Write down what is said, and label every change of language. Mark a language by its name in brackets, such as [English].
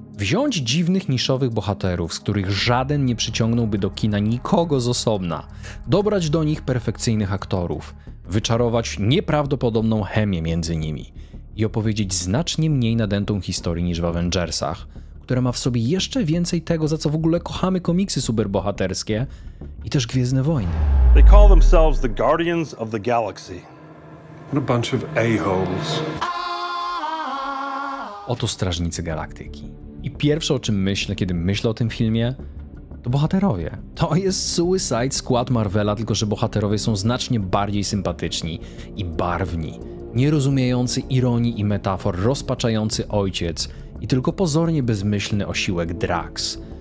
[Polish] Wziąć dziwnych, niszowych bohaterów, z których żaden nie przyciągnąłby do kina nikogo z osobna, dobrać do nich perfekcyjnych aktorów, wyczarować nieprawdopodobną chemię między nimi i opowiedzieć znacznie mniej nadętą historię niż w Avengersach, która ma w sobie jeszcze więcej tego, za co w ogóle kochamy komiksy superbohaterskie i też Gwiezdne Wojny. [English] They call themselves the Guardians of the Galaxy. What a bunch of a-holes. [Polish] Oto Strażnicy Galaktyki. I pierwsze, o czym myślę, kiedy myślę o tym filmie, to bohaterowie. To jest Suicide Squad Marvela, tylko że bohaterowie są znacznie bardziej sympatyczni i barwni. Nierozumiejący ironii i metafor, rozpaczający ojciec i tylko pozornie bezmyślny osiłek Drax.